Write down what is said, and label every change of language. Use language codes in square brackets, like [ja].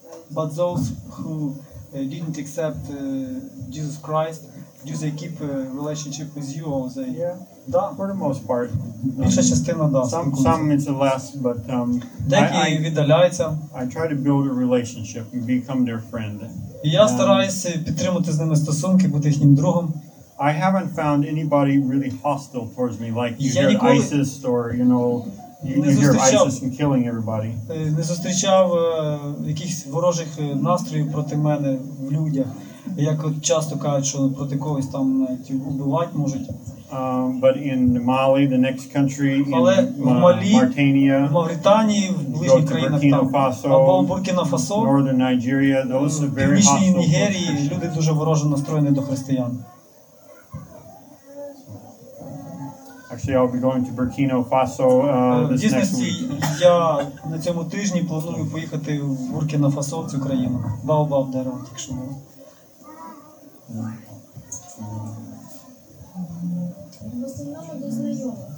[en] But those who didn't accept Jesus Christ, do they keep a relationship with you or they? Yeah, for the most part. Some it's less, but I try to build a relationship and become their friend. [uk] Я стараюсь підтримувати з ними стосунки, бути їхнім другом. [en] I haven't found anybody really hostile towards me, like you hear ISIS or, you know, you hear ISIS and killing everybody. [uk] Не зустрічав якихось ворожих настроїв проти мене в людях. Як от часто кажуть, що проти когось там навіть вбивати можуть. [en] But in Mali, the next country, [uk] Mauritania, Mauritanії, в ближніх країнах там, або Буркіна-Фасо, [en] Northern Nigeria, those are very hostile. [uk] Північній Нігерії люди дуже вороже настроєні до християн. [en] Actually, I'll be going to Burkina Faso this next week. [uk] Я на цьому тижні планую поїхати в Буркіна-Фасо, в цю країну. Баобаб дерево, так що було. В основному до знайомих.